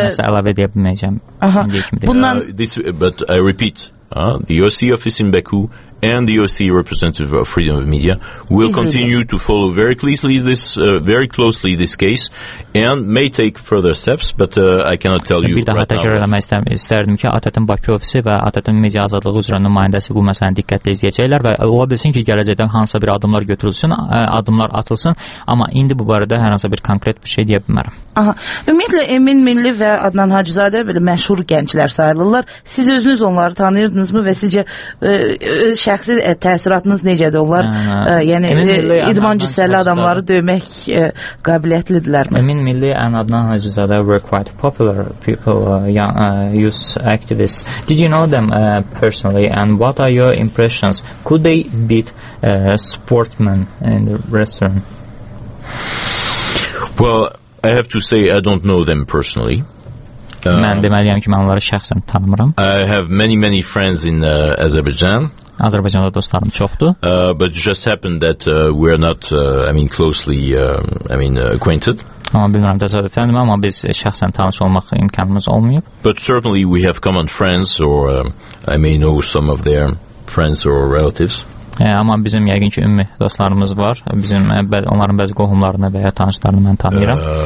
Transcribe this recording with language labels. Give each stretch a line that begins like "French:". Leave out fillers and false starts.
Azerbaijani: əlavə edə bilməyəcəm. Aha. Bundan
English: but I repeat, the OEC office in Baku and the OEC representative of freedom of media will continue to follow very closely this case and may take further steps, but I cannot tell you right now.
Azerbaijani: Bir daha təkrar eləmək istərdim ki, ATƏT-in Bakı ofisi və ATƏT-in media azadlığı üzrə nümayəndəsi bu məsələni diqqətlə izləyəcəklər və ola bilsin ki, gələcəkdə hansısa bir addımlar götürülsün, addımlar atılsın, amma indi bu barədə hər hansısa bir konkret bir şey deyə bilmərəm. Aha. Ümumiyyətlə, Emin Milli və Adnan Hacızadə belə məşhur gənclər sayılırlar. Siz özünüz onları tanıyırdınızmı və sizcə şəxsi təəssüratınız necədir? Onlar idman cüssəli adamları dövmək qabiliyyətlidirlərmi?
English: Emin Milli and Adnan Hacızadə were quite popular people, young youth activists. Did you know them personally and what are your impressions? Could they beat sportsmen in the restaurant? Well, I have to say I don't know them personally.
Azerbaijani: Mən deməliyəm ki, mən onları şəxsən tanımıram.
English: I have many, many friends in Azerbaijan.
Azerbaijani: Azərbaycanda dostlarım çoxdur.
English: But it just happened that we are not, closely, acquainted.
Azerbaijani: Amma bilmirəm, təsadüfəndim, amma biz şəxsən tanış olmaq imkanımız olmayıb.
English: But certainly we have common friends or I may know some of their friends or relatives.
Azerbaijani: Amma bizim yəqin ki, ümumi dostlarımız var. Bizim onların bəzi qohumlarını və ya tanışlarını mən tanıyıram.